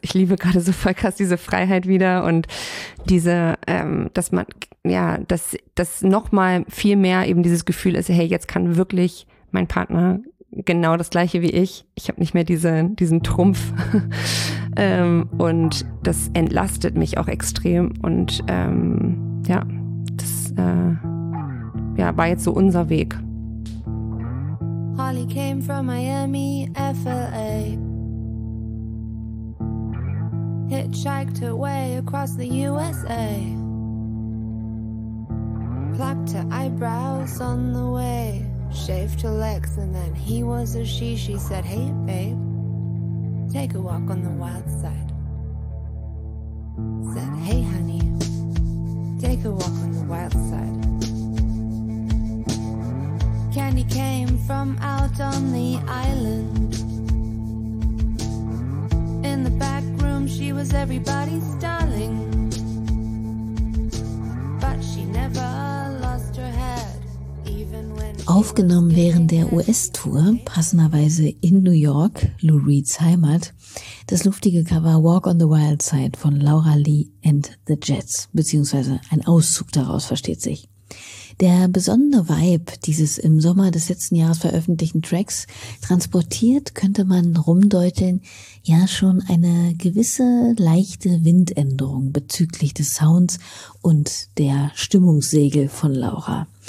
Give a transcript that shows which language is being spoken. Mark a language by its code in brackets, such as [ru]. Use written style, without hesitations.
[de] Ich liebe gerade so voll krass diese Freiheit wieder und diese, dass man, ja, dass nochmal viel mehr eben dieses Gefühl ist, hey, jetzt kann wirklich mein Partner genau das gleiche wie ich. Ich habe nicht mehr diesen Trumpf. und das entlastet mich auch extrem und ja, das ja, war jetzt so unser Weg. [en] Holly came from Miami, FLA. Hitchhiked her way across the USA. Plucked her eyebrows on the way. Shaved her legs and then he was a she. She said, hey babe, take a walk on the wild side. Said, hey honey, take a walk on the wild side. Candy came from out on the island. In the back room she was everybody's darling. But she never lost her head, even when. [de] Aufgenommen während der US-Tour, passenderweise in New York, Lou Reeds Heimat, das luftige Cover Walk on the Wild Side von Laura Lee and the Jets, beziehungsweise ein Auszug daraus, versteht sich. Der besondere Vibe dieses im Sommer des letzten Jahres veröffentlichten Tracks transportiert, könnte man rumdeuteln, ja schon eine gewisse leichte Windänderung bezüglich des Sounds und der Stimmungssegel von Laura.